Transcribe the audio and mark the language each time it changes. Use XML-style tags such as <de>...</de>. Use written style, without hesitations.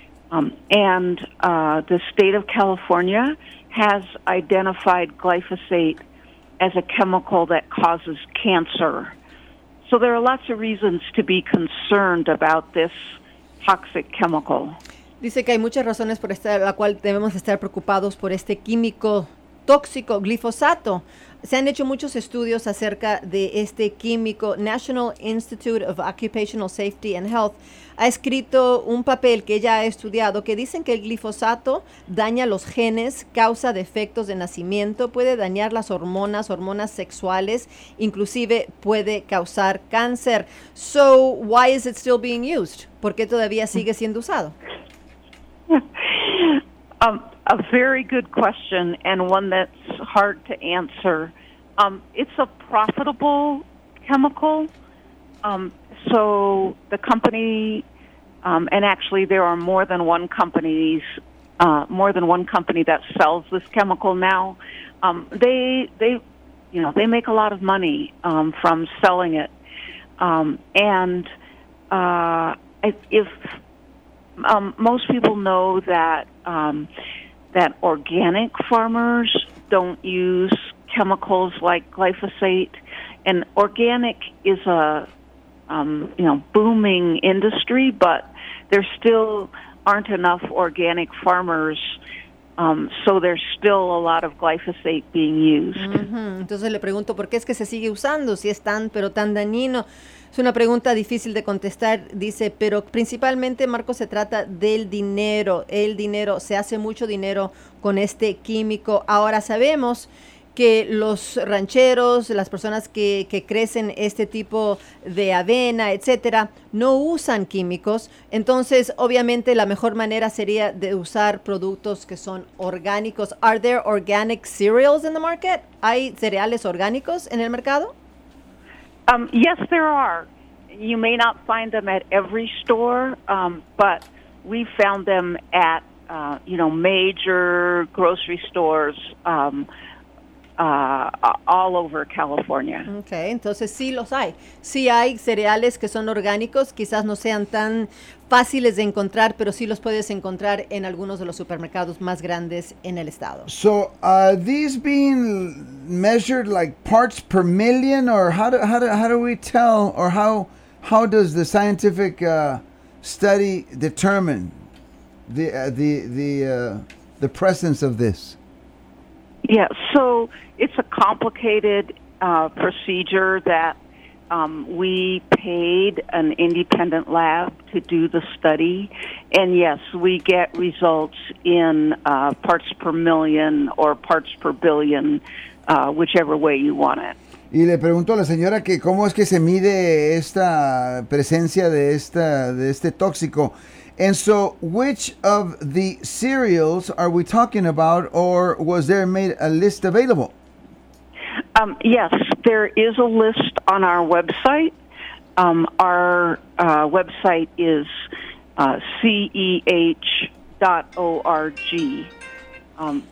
<en>And the state of California has identified glyphosate as a chemical that causes cancer. So there are lots of reasons to be concerned about this toxic chemical.</en> <es>Dice que hay muchas razones por la cual debemos estar preocupados por este químico tóxico, glifosato. Se han hecho muchos estudios acerca de este químico. National Institute of Occupational Safety and Health ha escrito un papel que ella ha estudiado que dicen que el glifosato daña los genes, causa defectos de nacimiento, puede dañar las hormonas sexuales, inclusive puede causar cáncer.</es> <en>So, why is it still being used?</en> <es>¿Por qué todavía sigue siendo usado?</es> <en>A very good question, and one that's hard to answer. It's a profitable chemical. So the company, and actually there are more than one companies, more than one company that sells this chemical now. They make a lot of money from selling it. Most people know that that organic farmers don't use chemicals like glyphosate. And organic is a booming industry, but there still aren't enough organic farmers, so there's still a lot of glyphosate being used. Mm-hmm.</en> <es>Entonces le pregunto, ¿por qué es que se sigue usando si es tan, pero tan dañino? Es una pregunta difícil de contestar, dice, pero principalmente, Marco, se trata del dinero. El dinero, se hace mucho dinero con este químico. Ahora sabemos que los rancheros, las personas que crecen este tipo de avena, etcétera, no usan químicos. Entonces, obviamente, la mejor manera sería de usar productos que son orgánicos.</es> <en>Are there organic cereals in the market?</en> <es>¿Hay cereales orgánicos en el mercado?</es> <en>Yes, there are. You may not find them at every store, but we found them at major grocery stores all over California.</en> <es>Okay, entonces sí los hay. Sí hay cereales que son orgánicos, quizás no sean tan fáciles de encontrar, pero sí los puedes encontrar en algunos de los supermercados más grandes en el estado.</es> <en>So, are these being measured like parts per million, or how do we tell, or how does the scientific study determine the presence of this? Yeah, so it's a complicated procedure that we paid an independent lab to do the study. And yes, we get results in parts per million or parts per billion, whichever way you want it.</en> <es>Y le pregunto a la señora que cómo es que se mide esta presencia de este tóxico.</es> <en>And so, which of the cereals are we talking about, or was there made a list available? Yes, there is a list on our website. Our website is ceh.org.</en>